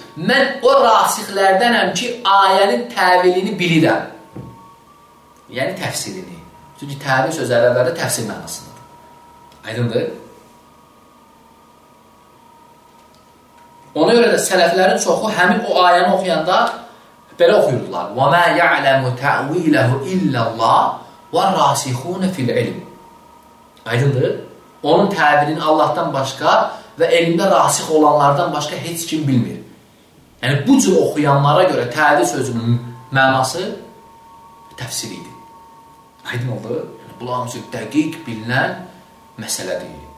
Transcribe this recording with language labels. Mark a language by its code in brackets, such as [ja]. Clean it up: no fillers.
[az] Mən o rasixlərdənəm ki, ayənin təvilini bilirəm. Yəni təfsirini. Çünki təvil söz ərəblərdə təfsir mənasındadır. Aydındır? Ona görə də sələflərin çoxu həmin o ayəni oxuyanda belə oxuyurdular. [ar] وَمَا يَعْلَمُ تَعْوِيلَهُ إِلَّا اللّٰهُ وَالرَّاسِخُونَ فِي الْعِلْمِ [az] Aydındır. Onun təbirini Allahdan başqa və elmdə rasix olanlardan başqa heç kim bilmir. Yəni, bu cür oxuyanlara görə təbir sözünün mənası təfsiriydi. Aydın oldu. Yəni, bu lamcı dəqiq bilinən məsələdir.